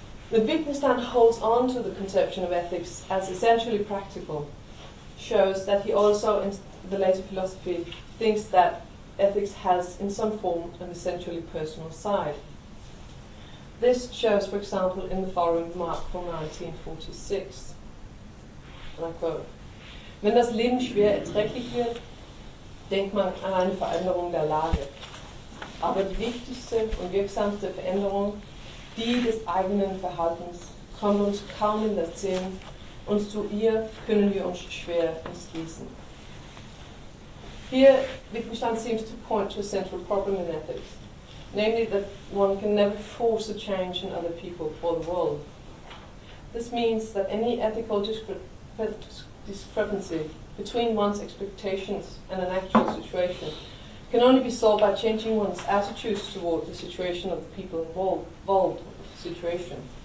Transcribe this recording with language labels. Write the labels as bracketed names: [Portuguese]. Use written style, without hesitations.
[English] The Wittgenstein holds on to the conception of ethics as essentially practical, shows that he also, in the later philosophy, thinks that ethics has, in some form, an essentially personal side. This shows, for example, in the following remark from 1946. And I quote, [German] "Wenn das Leben schwer erträglich wird, denkt man an eine Veränderung der Lage. Aber die wichtigste und wirksamste Veränderung, die des eigenen Verhaltens, kommt uns kaum in der Sinn, und zu ihr können wir uns schwer entschließen." [English] Here, Wittgenstein seems to point to a central problem in ethics, namely that one can never force a change in other people or the world. This means that any ethical discrepancy between one's expectations and an actual situation can only be solved by changing one's attitudes toward the situation of the people involved in the situation.